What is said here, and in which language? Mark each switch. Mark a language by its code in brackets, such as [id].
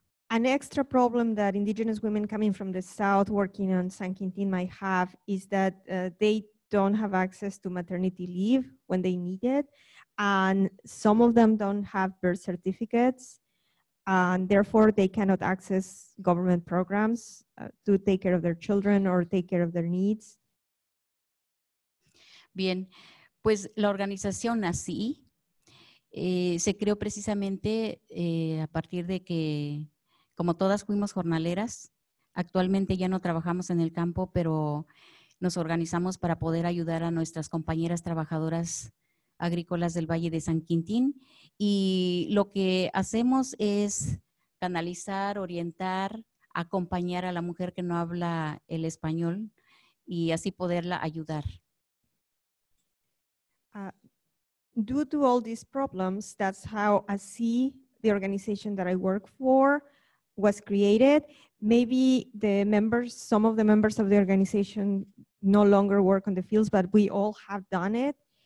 [en] An extra problem that indigenous women coming from the south working on San Quintín might have is that they don't have access to maternity leave when they need it. And some of them don't have birth certificates. And therefore, they cannot access government programs to take care of their children or take care of their needs. [es] Bien, pues la organización así se creó precisamente a partir de que, como todas fuimos jornaleras, actualmente ya no trabajamos en el campo, pero nos organizamos para poder ayudar a nuestras compañeras trabajadoras agrícolas del Valle de San Quintín. Y lo que hacemos es canalizar, orientar, acompañar a la mujer que no habla el español y así poderla ayudar. [en] Due to all these problems, that's how ASI, the organization that I work for, was created. Maybe some of the members of the organization no longer work on the fields, but we all have done it.